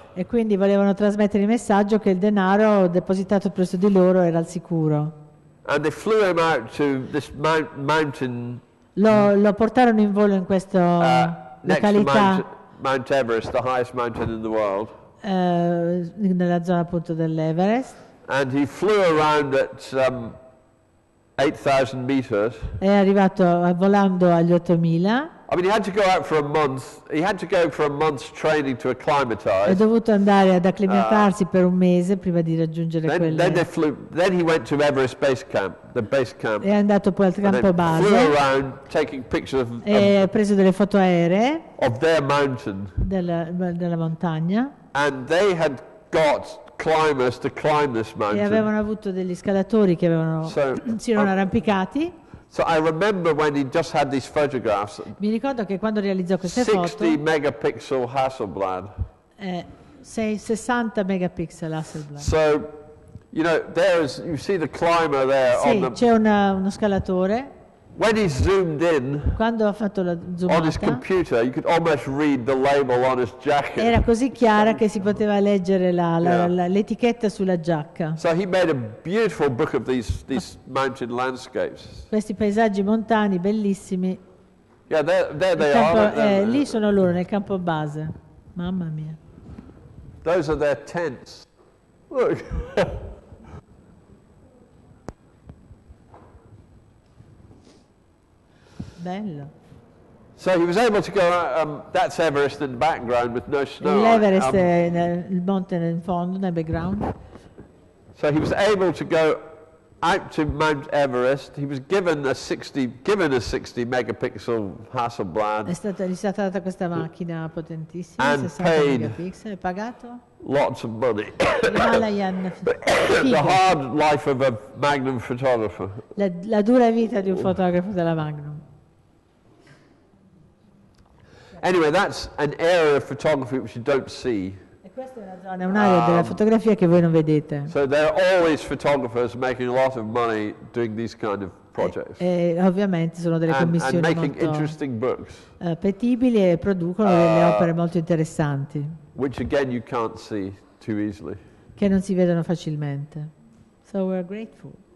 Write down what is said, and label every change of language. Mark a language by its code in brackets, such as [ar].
[it] E quindi volevano trasmettere il messaggio che il denaro depositato presso di loro era al sicuro. [en] And they flew him out to this mountain. [it] Lo portarono in volo in questa località. [en] Mount Everest, the highest mountain in the world. [it] Nella zona appunto dell'Everest. [en] And he flew around at 8,000 meters. [it] È arrivato volando agli 8,000. [en] I mean, he had to go out for a month. He had to go for a month's training to acclimatize. [it] È dovuto andare ad acclimatarsi per un mese prima di raggiungere [en] Then he went to Everest base camp, the base camp. [it] È andato poi al campo base. [en] Flew around, taking pictures of. [it] E ha preso delle foto aeree. [en] Of their mountain. [it] Della montagna. [en] And they had got climbers to climb this mountain. [it] E avevano avuto degli scalatori che avevano arrampicati. [en] So I remember when he just had these photographs. [it] Mi ricordo che quando realizzò queste 60 foto. [en] 60 megapixel Hasselblad. 60 megapixel Hasselblad. So, you know, you see the climber there. [it] Sì, c'è uno scalatore. [en] When he zoomed in. [it] Quando ha fatto la zoomata. [en] On his computer, you could almost read the label on his jacket. [it] Era così chiara che si poteva leggere l'etichetta sulla giacca. [en] So he made a beautiful book of these mountain landscapes. [it] Questi paesaggi montani bellissimi. [en] Yeah, there they [it] campo, [en] are. [it] Lì sono loro nel campo base. Mamma mia. [en] Those are their tents. Look. [it] Bello. [en] So he was able to go. That's Everest in the background with no snow. [it] L'Everest è il monte in fondo nel background. [en] So he was able to go out to Mount Everest. He was given a 60 megapixel Hasselblad. [it] Gli è stata data questa macchina potentissima. [en] And [it] 60 [en] paid [it] megapixel, pagato. [en] Lots of money. The hard life of a Magnum photographer. [it] La dura vita di un fotografo della Magnum. [en] Anyway, that's an area of photography which you don't see. [it] E questa è una zona, un'area della fotografia che voi non vedete. [en] So there are always photographers making a lot of money doing these kind of projects. [it] Ovviamente sono delle commissioni [en] and making interesting books. [it] Appetibili e producono delle opere molto interessanti. [en] Which again you can't see too easily. [it] Che non si vedono facilmente. [en] So we're grateful.